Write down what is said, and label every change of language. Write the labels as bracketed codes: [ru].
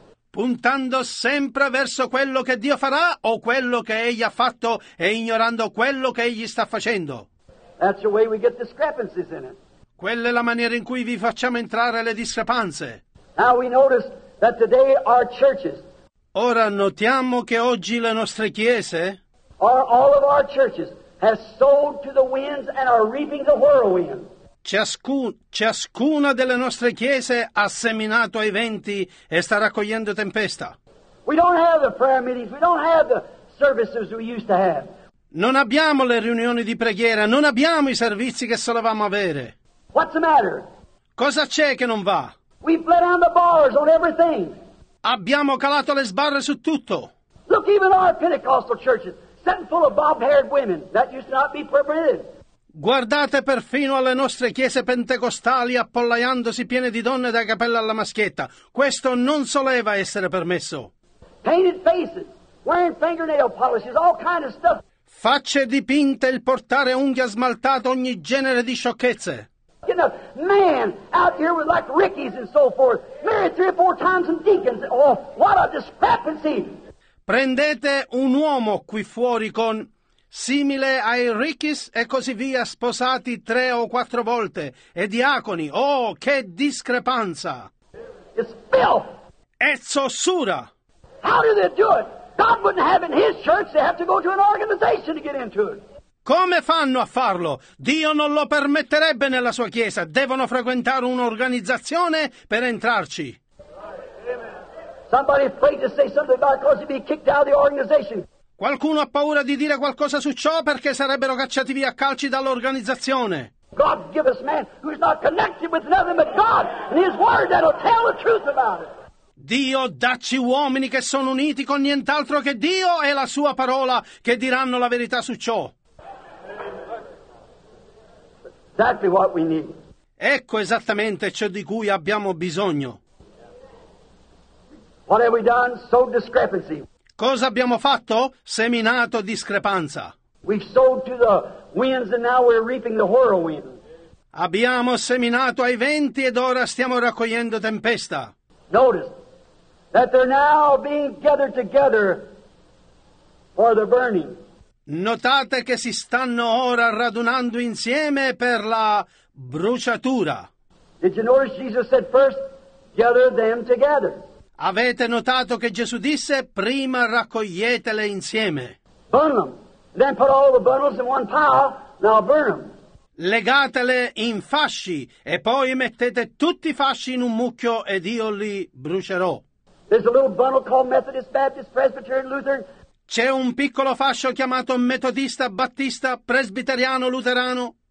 [it] Puntando sempre verso quello che Dio farà o quello che Egli ha fatto e ignorando quello che Egli sta facendo. [en] That's the way we get discrepancies in it. [it] Quella è la maniera in cui vi facciamo entrare le discrepanze. [en] Now we notice that today our churches. [it] Ora notiamo che oggi le nostre chiese. [en] Are all of our churches have sold to the winds and are reaping the whirlwind. [it] Ciascuna delle nostre chiese ha seminato ai venti e sta raccogliendo tempesta. [en] We don't have the prayer meetings. We don't have the services we used to have. [it] Non abbiamo le riunioni di preghiera, non abbiamo i servizi che solevamo avere. [en] What's the matter? [it] Cosa c'è che non va? [en] We've let down the bars on everything. [it] Abbiamo calato le sbarre su tutto. [en] Look, even our Pentecostal churches, sitting full of bob-haired women, that used to not be permitted. [it] Guardate perfino alle nostre chiese pentecostali appollaiandosi piene di donne dai capelli alla maschietta. Questo non soleva essere permesso. [en] Painted faces, wearing fingernail polishes, all kind of stuff. [it] Facce dipinte, il portare unghie smaltate, ogni genere di sciocchezze. [en] Man out here with like Rickies and so forth, married three or four times and deacons. Oh, what a discrepancy! [it] Prendete un uomo qui fuori con simile ai Rickies e così via, sposati tre o quattro volte e diaconi. Oh, che discrepanza! [en] It's filth. [it] È zozzura. [en] How do they do it? God wouldn't have in His church. They have to go to an organization to get into it. [it] Come fanno a farlo? Dio non lo permetterebbe nella sua chiesa. Devono frequentare un'organizzazione per entrarci. [en] Somebody afraid to say something about it because he'd be kicked out of the organization. [it] Qualcuno ha paura di dire qualcosa su ciò perché sarebbero cacciati via a calci dall'organizzazione. [en] God give us man who's not connected with nothing but God and His word that'll tell the truth about it. [it] Dio, dacci uomini che sono uniti con nient'altro che Dio e la sua parola che diranno la verità su ciò. [en] Exactly what we need. [it] Ecco esattamente ciò di cui abbiamo bisogno. [en] What have we done? Sowed discrepancy. [it] Cosa abbiamo fatto? Seminato discrepanza. [en] We've sowed to the winds and now we're reaping the whirlwind. [it] Abbiamo seminato ai venti ed ora stiamo raccogliendo tempesta. [en] Notice that they're now being gathered together for the burning. [it] Notate che si stanno ora radunando insieme per la bruciatura. [en] Did you notice Jesus said first, gather them together? [it] Avete notato che Gesù disse, prima raccoglietele insieme. [en] Burn them. Then put all the bundles in one pile, now burn them. [it] Legatele in fasci e poi mettete tutti i fasci in un mucchio ed io li brucerò. [en] There's a little bundle called Methodist, Baptist, Presbyterian, Lutheran. [it] C'è un piccolo fascio chiamato metodista, battista, presbiteriano, luterano.